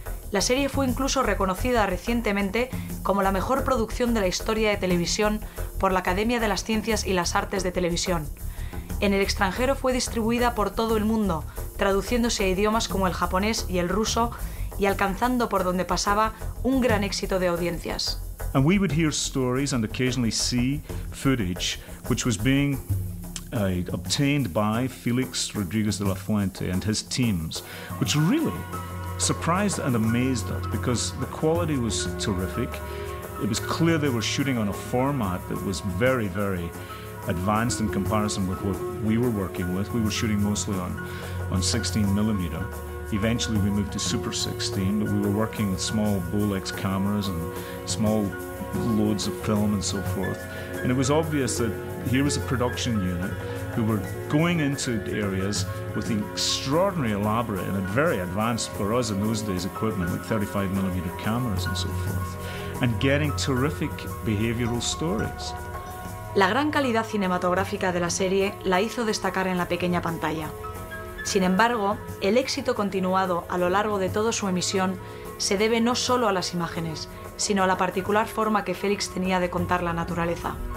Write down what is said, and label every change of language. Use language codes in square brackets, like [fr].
[es] La serie fue incluso reconocida recientemente como la mejor producción de la historia de televisión por la Academia de las Ciencias y las Artes de Televisión. En el extranjero fue distribuida por todo el mundo, traduciéndose a idiomas como el japonés y el ruso y alcanzando por donde pasaba un gran éxito de audiencias. [en] And we would hear stories and occasionally see footage which was being obtained by Félix Rodríguez de la Fuente and his teams, which really surprised and amazed us because the quality was terrific. It was clear they were shooting on a format that was very, very advanced in comparison with what we were working with. We were shooting mostly on 16 millimeter. Eventually we moved to Super 16, but we were working with small Bolex cameras and small loads of film and so forth. And it was obvious that here was a production unit who were going into areas with extraordinary elaborate and very advanced, for us in those days, equipment, like 35mm cameras and so forth, and getting terrific behavioral stories. [es] La gran calidad cinematográfica de la serie la hizo destacar en la pequeña pantalla. Sin embargo, el éxito continuado a lo largo de toda su emisión se debe no solo a las imágenes, sino a la particular forma que Félix tenía de contar la naturaleza.